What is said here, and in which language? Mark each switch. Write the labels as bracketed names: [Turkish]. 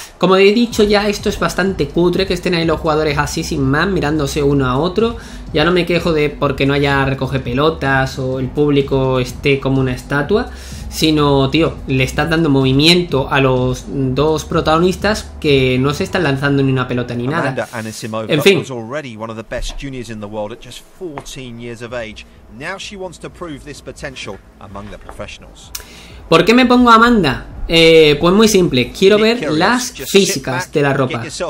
[Spanish] Como he dicho ya, esto es bastante cutre, que estén ahí los jugadores así sin más, mirándose uno a otro. Ya no me quejo de porque no haya recoge pelotas o el público esté como una estatua, sino, tío, le están dando movimiento a los dos protagonistas que no se están lanzando ni una pelota ni nada. En fin. [English] Was already one of the best juniors in the world at just 14 years of age. Now she wants to prove this potential among the professionals. [Spanish] ¿Por qué me pongo a Amanda? Pues muy simple, quiero ver las físicas de la ropa.